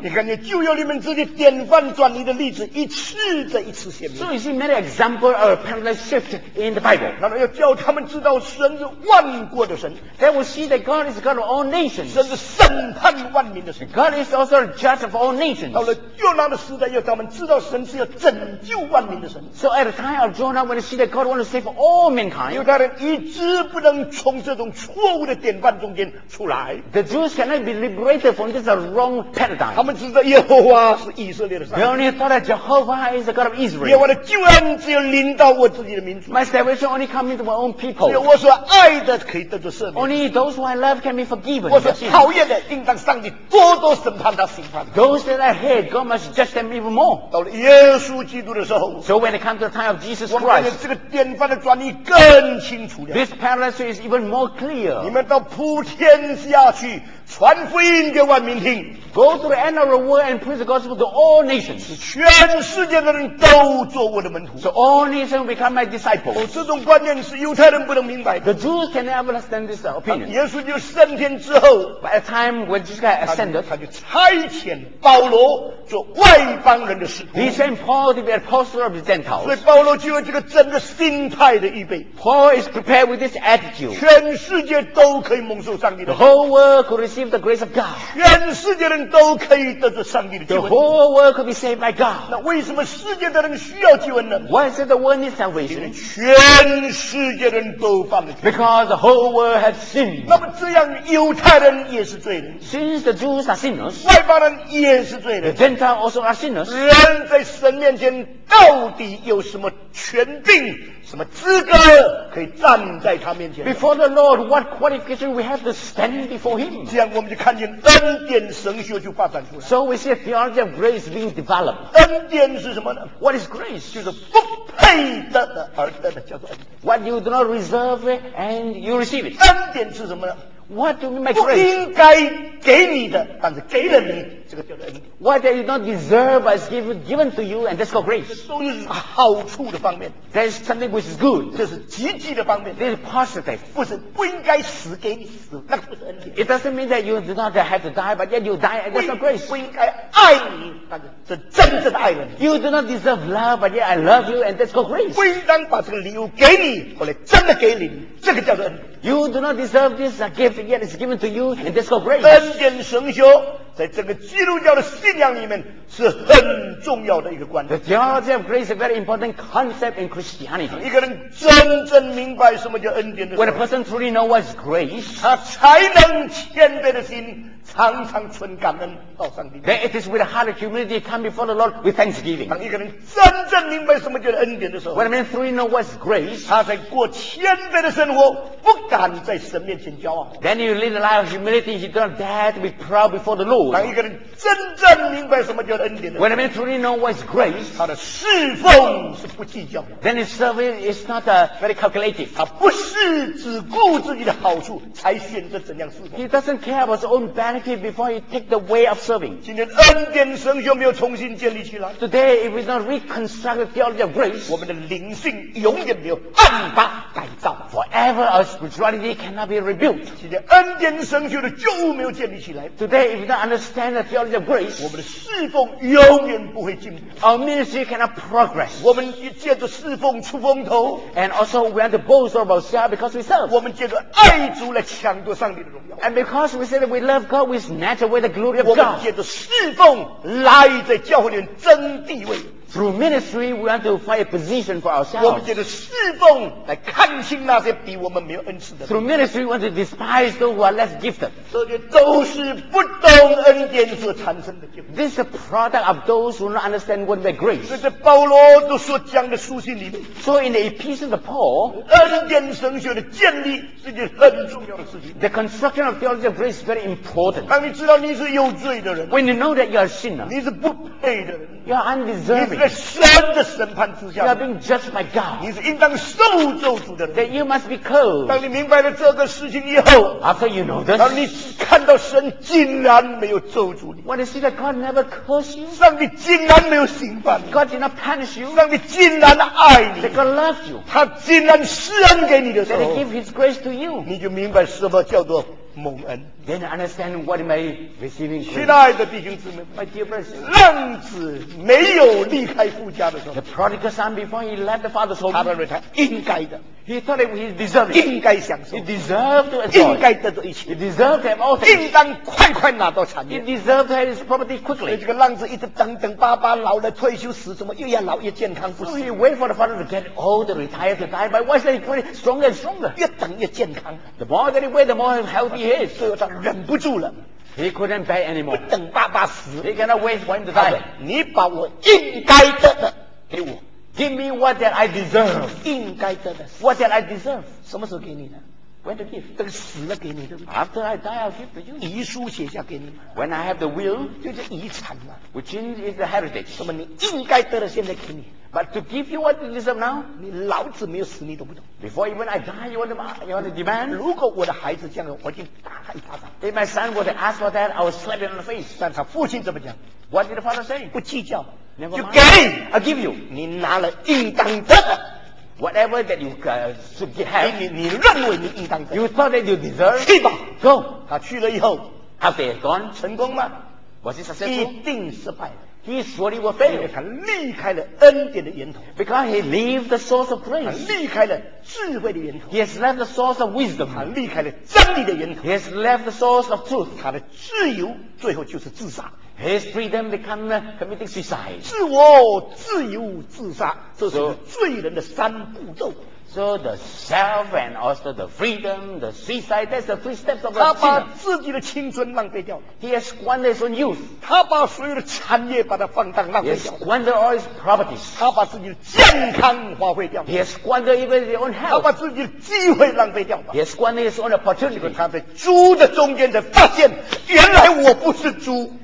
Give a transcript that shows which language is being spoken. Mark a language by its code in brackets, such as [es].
[zh] 你看，你旧约里面这些典范转移的例子，一次再一次显明。 [en] So you see many examples of paradigm shift in the Bible. [zh] 然后要叫他们知道神是万国的神。 [en] They will see that God is God of all nations. [zh] 神是审判万民的神。 [en] God is also a judge of all nations. [zh] 到了旧约的时代，要他们知道神是要拯救万民的神。 [en] So at the time of Jonah, when they see that God wants to save all mankind, [zh] 犹太人一直不能从这种错误的典范中间出来。 [en] The Jews cannot be liberated from this wrong paradigm. [zh] 他们知道耶和华是以色列的神。 [en] They only thought that Jehovah is the God of Israel. [zh] 耶和华的救恩只有临到我自己的民族。 [en] My salvation only comes into my own people. [zh] 只有我所爱的可以得着赦免。 [en] Only those who I love can be forgiven. [zh] 我所讨厌的，应当上帝多多审判他、刑罚。 [en] Those that I hate, God must judge them even more. [zh] 到了耶稣基督的时候。 [en] So when it comes to the time of Jesus Christ, [zh] 我们这个典范的转移更清楚了。 [en] This paradigm is even more clear. [zh] 你们到普天下去传福音给万民听。 [en] Go to the end of the world and preach the gospel to all nations. [zh] 全世界的人都做我的门徒。 [en] So all nations become my disciples. [zh] 这种观念是犹太人不能明白的。 [en] The Jews can never understand this opinion. [zh] 耶稣就升天之后 [en] ，By the time when Jesus got ascended, [zh] 他就差遣保罗做外邦人的使徒。 [en] He sent Paul to be an apostle. serve Gentiles. [zh] 所以保罗就有这个整个心态的预备。 [en] Paul is prepared with this attitude. [zh] 全世界都可以蒙受上帝的。 [en] The whole world could receive the grace of God. [zh] 全世界人都可以得着上帝的救恩。 [en] The whole world could be saved by God. [zh] 那为什么世界的人需要救恩呢？ [en] Why is it the world need salvation? [zh] 因为全世界人都犯了罪。 [en] Because the whole world has sinned. [zh] 那么这样犹太人也是罪人。 [en] Since the Jews are sinners. [zh] 外邦人也是罪人。 [en] The Gentiles also are sinners. [zh] 人在神面前到底有什么权柄，什么资格可以站在他面前？ [en] Before the Lord, what qualification we have to stand before Him? [zh] 这样我们就看见恩典神学就发展出来。 [en] So we see a theology of grace being developed. [zh] 恩典是什么呢？ [en] What is grace? [zh] 就是不配得的而得的，叫做恩典。 [en] What you do not reserve it and you receive it. [zh] 恩典是什么呢？ [en] What do we make grace? [zh] 不应该给你的，但是给了你，这个叫恩典。 [en] What you don't deserve is given to you, and that's called grace. [zh] 这都是好处的方面。 [en] There's something which is good. [zh] 这是积极的方面。 [en] This is positive. [zh] 不是不应该死给你死，那个、不是恩典。 [en] It doesn't mean that you do not have to die, but yet you die, and that's called grace. [zh] 不应该爱你，但是真正的爱了你。 [en] You do not deserve love, but yet I love you, and that's called grace. [zh] 不应当把这个礼物给你，后来真的给你，这个叫做恩典。 [en] You do not deserve this gift, yet it's given to you, and that's called grace. [zh] 恩典神学在整个基督教的信仰里面是很重要的一个观点。 [en] The theology of grace is a very important concept in Christianity. [zh] 一个人真正明白什么叫恩典的时候 [en] ，When a person truly knows what's grace, [zh] 他才能谦卑的心常常存感恩到上帝。 [en] Then it is with a heart of humility come before the Lord with thanksgiving. [zh] 当一个人真正明白什么叫恩典的时候 [en] ，When a man truly knows what's grace, [zh] 他在过谦卑的生活，不敢在神面前骄傲。 [en] Then you live a life of humility, you don't dare to be proud before the Lord. [zh] 当一个人真正明白什么叫恩典的 [en] ，When a man truly knows what's grace， [zh] 他的侍奉是不计较的。 [en] Then his service is not very calculative， [zh] 他不是只顾自己的好处才选择怎样侍奉。 [en] He doesn't care about his own benefit before he take the way of serving。 [zh] 今天恩典神学没有重新建立起来 [en] ，Today if we don't reconstruct the theology of grace， [zh] 我们的灵性永远没有办法改造。 [en] Forever our spirituality cannot be rebuilt。 [zh] 今天恩典神学的旧没有建立起来 [en] ，Today if we don'tUnderstand the theology of grace. [zh] 我们的侍奉永远不会进步。 [en] Our ministry cannot progress. [zh] 我们借着侍奉出风头。 [en] And also we have to boast of ourselves because we serve. [zh] 我们借着爱主来抢夺上帝的荣耀。 [en] And because we say that we love God, we snatch away the glory of God. [zh] 我们借着侍奉来在教会里争地位。 [en] Through ministry, we want to find a position for ourselves. [zh] 我们借着侍奉来看清那些比我们没有恩赐的。 [en] Through ministry, we want to despise those who are less gifted. [zh] 这些都是不懂恩典所产生的结果。 [en] This is a product of those who don't understand what by grace. [zh] 这是保罗所讲的书信里面。 [en] So in the epistle of Paul, [zh] 恩典神学的建立是件很重要的事情。 [en] The construction of theology of grace is very important. [zh] 当你知道你是有罪的人。 [en] When you know that you are a sinner, [zh] 你是不配的人。 [en] You are undeserving. [zh] 在神的审判之下 [en] you are being judged by God. [zh] 你是应当受咒诅的人 [en] that you must be cursed. [zh] 当你明白了这个事情以后 [en] after you know this, [zh] 当你看到神竟然没有咒诅你 [en] when you see that God never cursed you [zh] 上帝竟然没有刑罚你 [en] God did not punish you [zh] 上帝竟然爱你 [en] that God loved you [zh] 他竟然施恩给你的时候 [en] that he gave his grace to you [zh] 你就明白什么叫做蒙恩 [en] then understand what am I receiving [zh] 亲爱的弟兄姊妹 [en] my dear brothers [zh] 浪子没有离开父家的时候 [en] the prodigal son before he left the father's home [zh] 他认为他应该的 [en] He thought that he deserved it. [zh] 应该享受。 [en] He deserved to enjoy. [zh] 应该得到一切。 [en] He deserved to have all things. [zh] 应当快快拿到产业。 [en] He deserved to have his property quickly. [zh] 这个浪子一直等等巴巴老了退休死，怎么越老越健康不死 [en] ？So he waited for the father to get old, retire to die. But why is he getting stronger and stronger? [zh] 越等越健康。 [en] The more that he waits, the more healthy he is. [zh] 最后他忍不住了。 [en] He couldn't bear anymore. [zh] 不等爸爸死。 [en] He cannot wait for him to die. [zh] 你把我应该得的给我。 [en] Give me what that I deserve. [zh] 应该得的。 [en] What that I deserve. [zh] 什么时候给你的？ [en] When to give. [zh] 这个死了给你的。 [en] After I die, I'll give to you. [zh] 遗书写下给你。 [en] When I have the will. [zh] 就是遗产嘛。 [en] Which is the heritage. [zh] 什么你应该得的现在给你。 [en] But to give you what you deserve now. [zh] 你老子没有死你都不懂。 [en] Before even I die, you want to demand. [zh] 如果我的孩子这样，我就打他一巴掌。 [en] If my son were to ask for that, I would slap him on the face. [zh] 但他父亲怎么讲？ [en] What did the father say? [zh] 不计较。 [en] You gain, I give you. [zh] 你拿了应当得的 [en] whatever that you should have. [zh] 你认为你应当得的 [en] you thought that you deserve. [zh] 去吧 [en] go. [zh] 他去了以后 [en] after gone, [zh] 成功吗 [en] was he successful? [zh] 一定失败 [en] He surely will fail. [zh] 因为他离开了恩典的源头。 [en] Because he leave the source of grace. [zh] 他离开了智慧的源头。 [en] He has left the source of wisdom. [zh] 他离开了真理的源头。 [en] He has left the source of truth. [zh] 他的自由最后就是自杀。 [en] His freedom become committing suicide. [zh] 自我、自由、自杀，这是罪人的三步骤。 [en] So the self and also the freedom, the suicide, that's the three steps of a sinner. [zh] 他把自己的青春浪费掉了。 [en] He has squandered his own youth. [zh] 他把所有的产业把它放荡浪费掉了。 [en] He has squandered all his properties. [zh] 他把自己的健康花费掉了。 [en] He has squandered even his own health. [zh] 他把自己的机会浪费掉了。 [en] He has squandered his own opportunity. [zh] 他在猪的中间才发现，原来我不是猪。